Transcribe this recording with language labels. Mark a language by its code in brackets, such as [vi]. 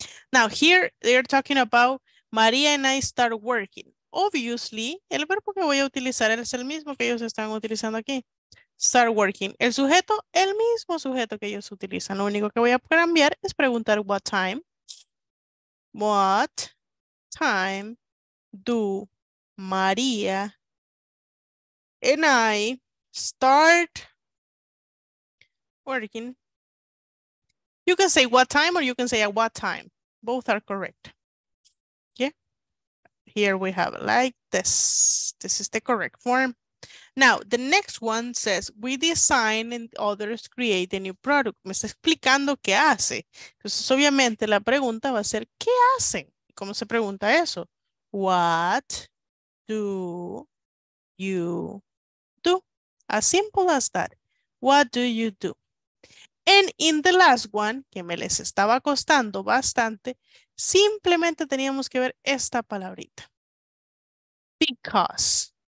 [en] Now here, they're talking about Maria and I start working. [es] Obviously, el verbo que voy a utilizar es el mismo que ellos están utilizando aquí. [en] Start working. [es] El sujeto, el mismo sujeto que ellos utilizan. Lo único que voy a cambiar es preguntar what time. [en] What time do Maria and I start working? You can say what time or you can say at what time. Both are correct. Here we have it like this. This is the correct form. Now, the next one says, we design and others create a new product. [es] Me está explicando qué hace. Entonces, obviamente, la pregunta va a ser, ¿qué hacen? ¿Cómo se pregunta eso? [en] What do you do? As simple as that. What do you do? And in the last one, [es] que me les estaba costando bastante, [en] simplemente teníamos que ver esta palabrita. Because.